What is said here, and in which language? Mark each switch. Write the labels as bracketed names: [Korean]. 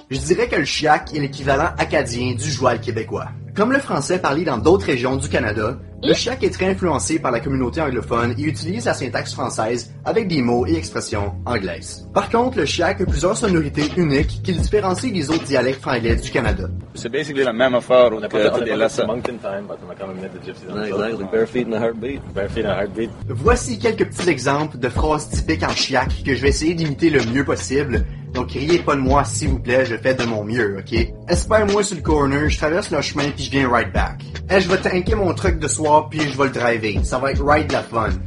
[French] Je dirais que le chiac est l'équivalent acadien du joual québécois. Comme le français parlé dans d'autres régions du Canada, le chiac est très influencé par la communauté anglophone et utilise la syntaxe française avec des mots et expressions anglaises. Par contre, le chiac a plusieurs sonorités uniques qui le différencient des autres dialectes franglais du Canada. C'est basically la même affaire que [English] des Moncton time, but I'm coming with the gypsies. Exactly, bare feet and a heartbeat. Bare feet and a heartbeat. [French] Voici quelques petits exemples de phrases typiques en chiac que je vais essayer d'imiter le mieux possible. Donc, riez pas de moi, s'il vous plaît, je fais de mon mieux, ok? Espère-moi sur le corner, je traverse le chemin pis je viens [English] right back. [French] Hey, je vais tanker mon truck de soir pis je vais le driver. Ça va être right la fun.